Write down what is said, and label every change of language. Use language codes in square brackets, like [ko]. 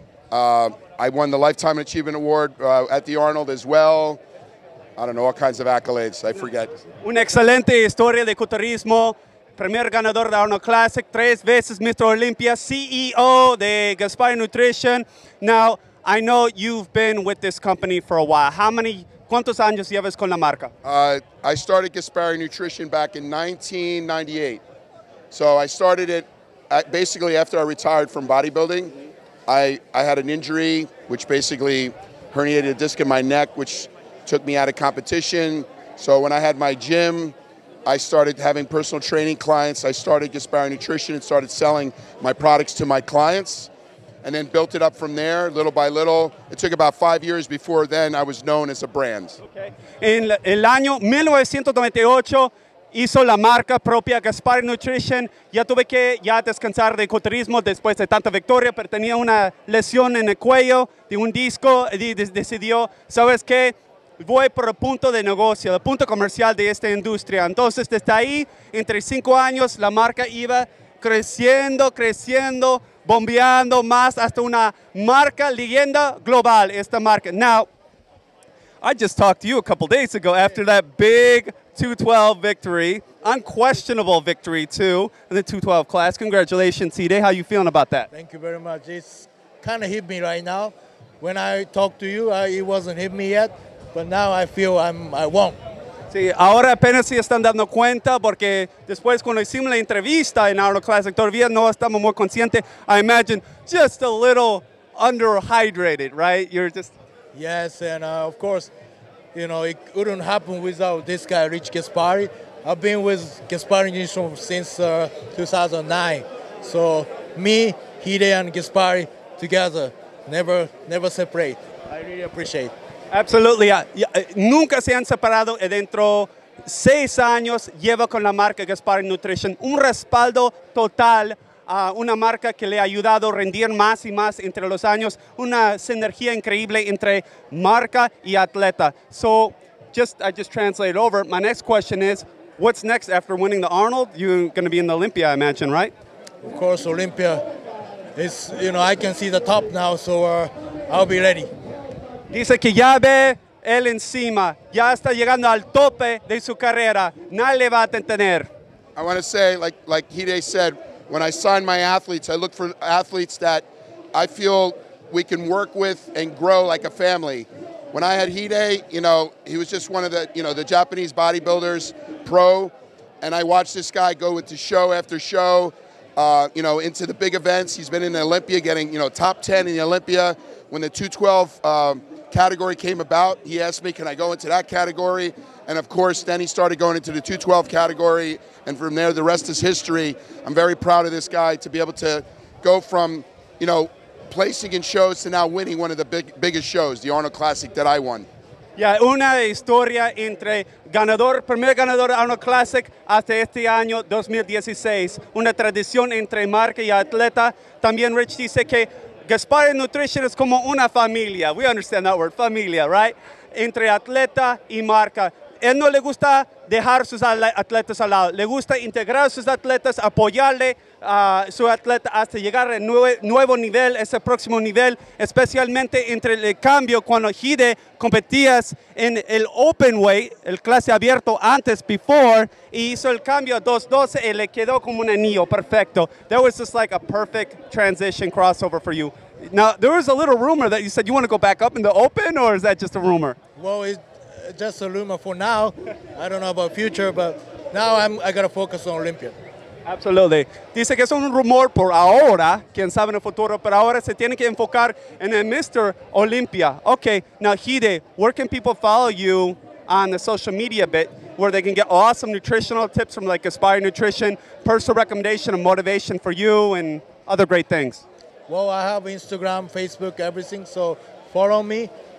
[en] I won the Lifetime Achievement Award at the Arnold as well. I don't know, all kinds of accolades, I forget. [es] Una excelente historia de culturismo. Primer ganador de Arnold Classic, tres veces Mr. Olympia, CEO de Gaspari Nutrition. [en] Now, I know you've been with this company for a while. [es] ¿Cuántos años llevas con la marca? [en] I started Gaspari Nutrition back in 1998. So I started it basically after I retired from bodybuilding. I had an injury, which basically herniated a disc in my neck, which took me out of competition. So when I had my gym, I started having personal training clients. I started Gaspari Nutrition and started selling my products to my clients and then built it up from there little by little. It took about 5 years before then I was known as a brand. Okay. [es] En el año 1998 hizo la marca propia Gaspari Nutrition. Ya tuve que ya descansar de culturismo después de tanta victoria, pero tenía una lesión en el cuello de un disco y decidió, ¿sabes qué? Voy por el punto de negocio, el punto comercial de esta industria. Entonces, desde ahí, entre 5 años, la marca iba creciendo, creciendo, bombeando más hasta una marca leyenda global, esta marca. [en] Now, I just talked to you a couple days ago after that big 212 victory, unquestionable victory too, in the 212 class. Congratulations, Hide. How are you feeling about that? Thank you very much. It's kind of hit me right now. When I talked to you, it wasn't hit me yet. But now I feel I won. [es] Sí, ahora apenas se están dando cuenta porque después cuando hicimos la entrevista en Arnold Classic todavía no estamos muy conscientes. [en] I imagine just a little underhydrated, right? You're just. Yes, and of course, you know, it wouldn't happen without this guy, Rich Gaspari. I've been with Gaspari since 2009. So me, Hide, and Gaspari together, never separate. I really appreciate it. Absolutely. [es] Nunca se han separado dentro de 6 años lleva con la marca Gaspari Nutrition. Un respaldo total a una marca que le ha ayudado a rendir más y más entre los años. Una sinergia increíble entre marca y atleta. [en] So, I just translate over. My next question is, what's next after winning the Arnold? You're going to be in the Olympia, I imagine, right? Of course, Olympia. It's, you know, I can see the top now, so I'll be ready. [es] Dice que ya ve él encima, ya está llegando al tope de su carrera, nadie le va a detener. [en] I want to say, like Hide said, when I sign my athletes, I look for athletes that I feel we can work with and grow like a family. When I had Hide, you know, he was just one of the, you know, the Japanese bodybuilders, pro, and I watched this guy go with the show after show, you know, into the big events. He's been in the Olympia getting, you know, top 10 in the Olympia. When the 212 category came about, he asked me, can I go into that category? And of course, then he started going into the 212 category. And from there, the rest is history. I'm very proud of this guy to be able to go from, you know, placing in shows to now winning one of the biggest shows, the Arnold Classic that I won. [es] Ya, una historia entre ganador, primer ganador de Arnold Classic hasta este año 2016. Una tradición entre marca y atleta. También Rich dice que Gaspari Nutrition is como una familia. We understand that word, familia, right? Entre atleta y marca. Él no le gusta dejar sus atletas al lado. Le gusta integrar sus atletas, apoyarle a su atleta hasta llegar a nuevo nivel, ese próximo nivel, especialmente entre el cambio cuando Hide competías en el Open Weight, el clase abierto antes, before, y hizo el cambio a 212 y le quedó como un anillo perfecto. [en] That was just like a perfect transition crossover for you. Now, there was a little rumor that you said you want to go back up in the Open, or is that just a rumor? Well, just a rumor for now. I don't know about future, but now I gotta focus on Olympia. Absolutely. [es] Dice que es un rumor por ahora, quien sabe en el futuro, pero ahora se tiene que enfocar en el Mr. Olympia. [en] Okay, now Hide, where can people follow you on the social media bit where they can get awesome nutritional tips from like Gaspari Nutrition, personal recommendation and motivation for you and other great things? Well, I have Instagram, Facebook, everything, so follow me.